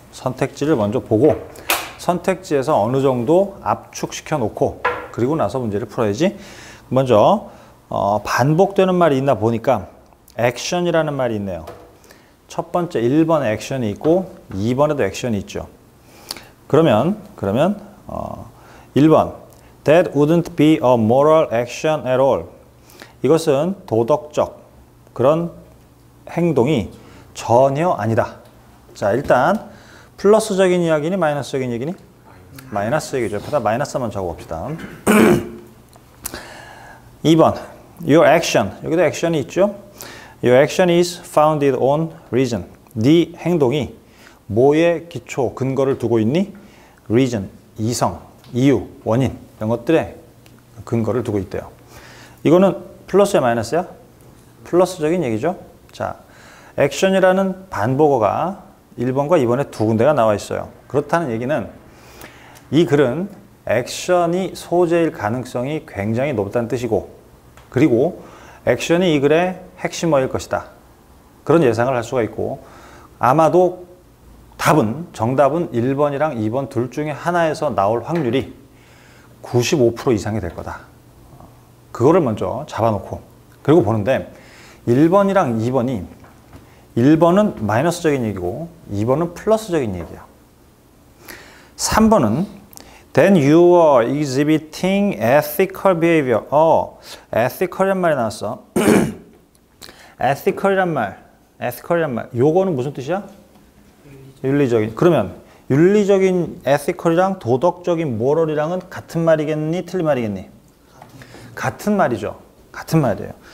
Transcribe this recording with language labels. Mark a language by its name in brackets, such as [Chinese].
[Korean] 선택지를 먼저 보고 선택지에서 어느 정도 압축시켜 놓고 그리고 나서 문제를 풀어야지. 먼저 반복되는 말이 있나 보니까 액션이라는 말이 있네요. 첫 번째 1번에 액션이 있고 2번에도 액션이 있죠. 그러면 1번 [English] That wouldn't be a moral action at all. [Korean] 이것은 도덕적 그런 행동이 전혀 아니다. 자, 일단 플러스적인 이야기니 마이너스적인 이야기니? 마이너스 얘기죠. 일단 마이너스만 적어봅시다. 2번 [English] Your action, [Korean] 여기도 액션이 있죠. [English] Your action is founded on reason. [Korean] 네 행동이 뭐에 기초, 근거를 두고 있니? Reason, 이성, 이유, 원인 이런 것들에 근거를 두고 있대요. 이거는 플러스야 마이너스야? 플러스적인 얘기죠. 자, 액션이라는 반복어가 1번과 2번에 두 군데가 나와 있어요. 그렇다는 얘기는 이 글은 액션이 소재일 가능성이 굉장히 높다는 뜻이고 그리고 액션이 이 글의 핵심어일 것이다. 그런 예상을 할 수가 있고 아마도 정답은 1번이랑 2번 둘 중에 하나에서 나올 확률이 95% 이상이 될 거다. 그거를 먼저 잡아놓고 그리고 보는데 1번이랑 2번이 1번은 마이너스적인 얘기고 2번은 플러스적인 얘기야. 3번은 [English] Then you are exhibiting ethical behavior. [Korean] Ethical이란 말이 나왔어. ethical이란 말. 요거는 무슨 뜻이야? 윤리적인. 그러면 윤리적인 ethical이랑 도덕적인 moral이랑은 같은 말이겠니? 틀린 말이겠니? 같은 말이죠. 같은 말이에요.